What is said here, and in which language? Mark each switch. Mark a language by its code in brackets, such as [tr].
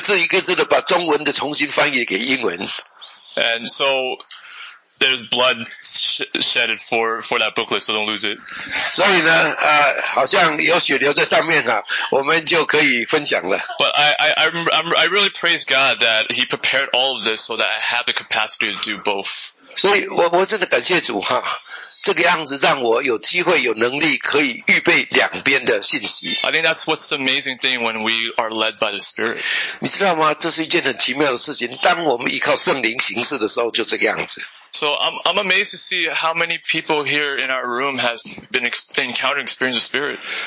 [zh] 所以呢，我就一个字一个字的把中文的重新翻译给英文。 [en] And so there's blood shedded for that booklet, so don't lose it. [zh] 所以呢，好像有血留在上面啊，我们就可以分享了。 [en] But I really praise God that He prepared all of this so that I have the capacity to do both. [zh] 所以我真的感谢主哈，这个样子让我有机会、有能力可以预备两边的信息。I [en] think that's what's the amazing thing when we are led by the Spirit. [zh] 你知道吗？这是一件很奇妙的事情。当我们依靠圣灵行事的时候，就这个样子。So [en] I'm amazed to see how many people here in our room has been encountering experience of Spirit.